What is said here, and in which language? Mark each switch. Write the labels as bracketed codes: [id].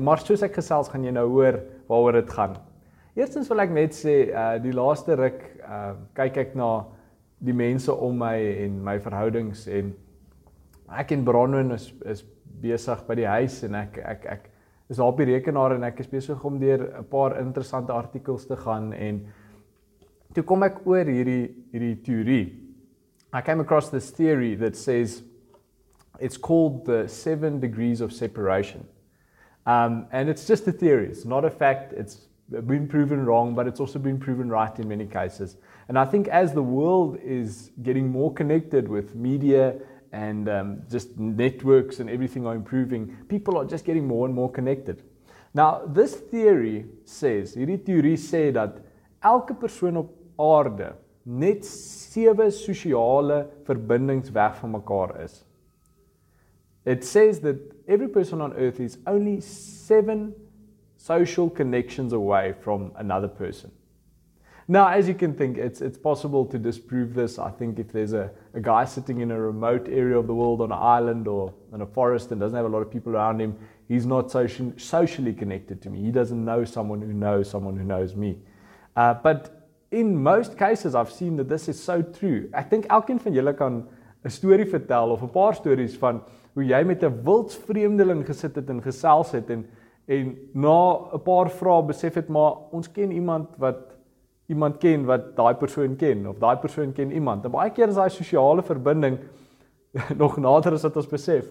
[af] Maar soos ek gesels, gaan jy nou hoor waaroor dit gaan. Eerstens wil ek net sê, die laaste ruk kyk ek na die mense om my en my verhoudings. En ek en Bronwyn is besig by die huis en ek is daar op die rekenaar en ek is besig om deur 'n paar interessante artikels te gaan. En toe kom ek oor hierdie teorie. [en] I came across this theory that says, it's called the 7 degrees of separation. And it's just a theory, it's not a fact, it's been proven wrong, but it's also been proven right in many cases. And I think as the world is getting more connected with media and just networks and everything are improving, people are just getting more and more connected. Now, this theory says, [af] hierdie teorie sê dat elke persoon op aarde net 7 sosiale verbindings weg van mekaar is. [en] It says that every person on earth is only 7 social connections away from another person. Now, as you can think, it's possible to disprove this. I think if there's a guy sitting in a remote area of the world on an island or in a forest and doesn't have a lot of people around him, he's not socially connected to me. He doesn't know someone who knows someone who knows me. But in most cases, I've seen that this is so true. I think [af] elkeen van julle kan 'n story vertel of 'n paar stories van hoe jy met 'n wild vreemdeling gesit het en gesels het en na 'n paar vrae besef het, maar ons ken iemand ken wat daai persoon ken, of daai persoon ken iemand. En baie keer is daai sosiale verbinding nog nader as wat ons besef.